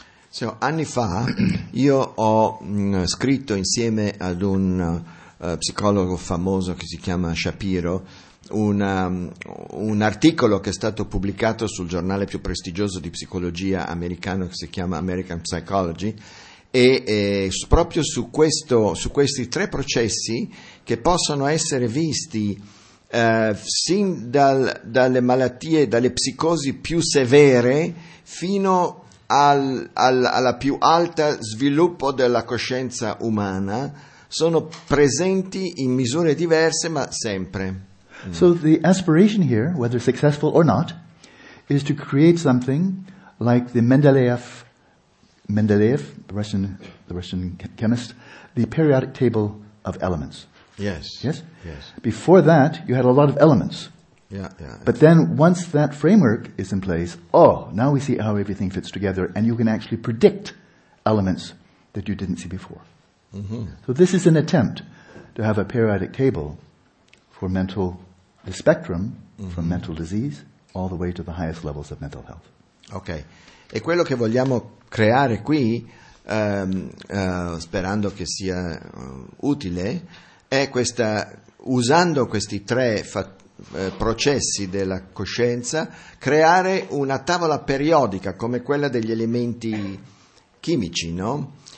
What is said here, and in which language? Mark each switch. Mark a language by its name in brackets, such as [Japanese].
[Italian] So, anni fa, io ho scritto insieme ad un psicologo famoso che si chiama Shapiro un articolo che è stato pubblicato sul giornale più prestigioso di psicologia americano, che si chiama American Psychology, e proprio su questi tre processi che possono essere visti sin dalle malattie, dalle psicosi più severe fino alla più alta sviluppo della coscienza umana, sono presenti in misure diverse ma sempre. [English] So the aspiration here, whether successful or not, is to create something like the Mendeleev, the Russian chemist, the periodic table of elements. Yes. Yes? Yes. Before that, you had a lot of elements. Yeah. But then once that framework is in place, oh, now we see how everything fits together, and you can actually predict elements that you didn't see before. Mm-hmm. So this is an attempt to have a periodic table for the spectrum from mental disease all the way to the highest levels of mental health. Okay. [Italian] E quello che vogliamo creare qui, sperando che sia utile, è questa, usando questi tre processi della coscienza, creare una tavola periodica come quella degli elementi chimici, no?